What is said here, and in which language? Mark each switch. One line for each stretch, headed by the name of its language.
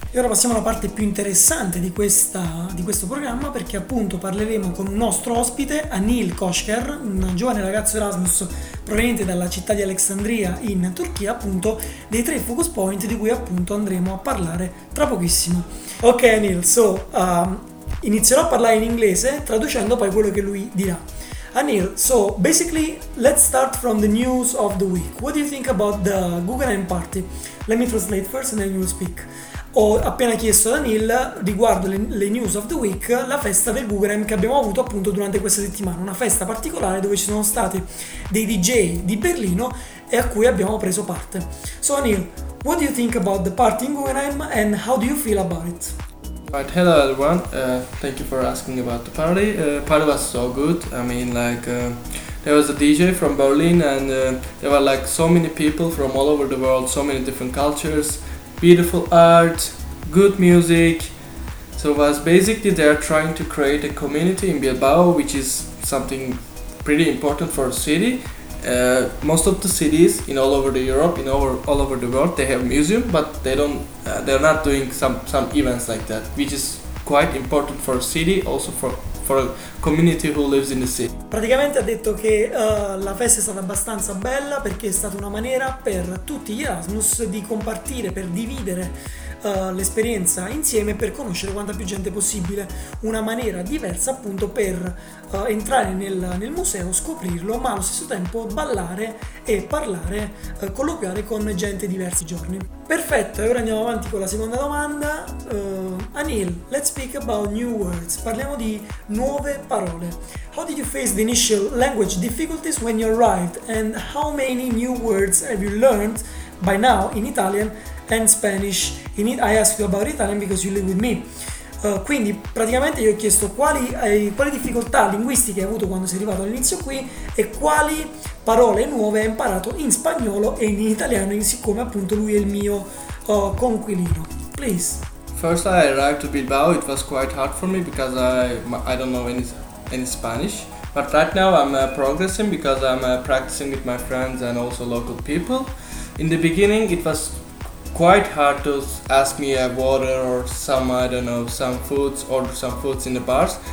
Italian: E ora passiamo alla parte più interessante di questo programma, perché appunto parleremo con un nostro ospite, Anil Koshker, un giovane ragazzo Erasmus proveniente dalla città di Alexandria in Turchia, appunto dei tre focus point di cui appunto andremo a parlare tra pochissimo. Ok Anil, so inizierò a parlare in inglese traducendo poi quello che lui dirà.
English: Anil, so basically, let's start from the news of the week. What do you think about the Guggenheim party? Let me translate first and then you will speak.
Italian: Ho appena chiesto ad Anil riguardo le
English: news of the week,
Italian: la festa del Guggenheim che abbiamo avuto appunto durante questa settimana, una festa particolare dove ci sono stati dei DJ di Berlino e a cui abbiamo preso parte.
English: So Anil, what do you think about the party in Guggenheim and how do you feel about it? Right, hello everyone. Thank you for asking about the party. Party was so good. I mean, like, there was a DJ from Berlin, and there were like so many people from all over the world, so many different cultures, beautiful art, good music. So it was basically they are trying to create a community in Bilbao, which is something pretty important for a city. Most of the cities in all over the Europe, all over the world, they have museum, but they're not doing some events like that, which is quite important for a city, also for a community who lives in the city.
Italian: Praticamente ha detto che la festa è stata abbastanza bella perché è stata una maniera per tutti gli Erasmus di compartire, per dividere l'esperienza insieme, per conoscere quanta più gente possibile, una maniera diversa appunto per entrare nel museo, scoprirlo, ma allo stesso tempo ballare e parlare, colloquiare con gente diversi giorni. Perfetto, e ora andiamo avanti con la seconda domanda.
English: Anil, let's speak about new words.
Italian: Parliamo di nuove parole.
English: How did you face the initial language difficulties when you arrived and how many new words have you learned by now in Italian and Spanish? I asked you about Italian because you live with me.
Italian: Quindi praticamente gli ho chiesto quali difficoltà linguistiche hai avuto quando sei arrivato all'inizio qui e quali parole nuove hai imparato in spagnolo e in italiano, siccome appunto lui è il mio coinquilino.
English: Please. First I arrived to Bilbao, it was quite hard for me because I don't know any Spanish. But right now I'm progressing because I'm practicing with my friends and also local people. In the beginning it was quite hard to ask me a water or some, I don't know, some foods or some foods in the bars.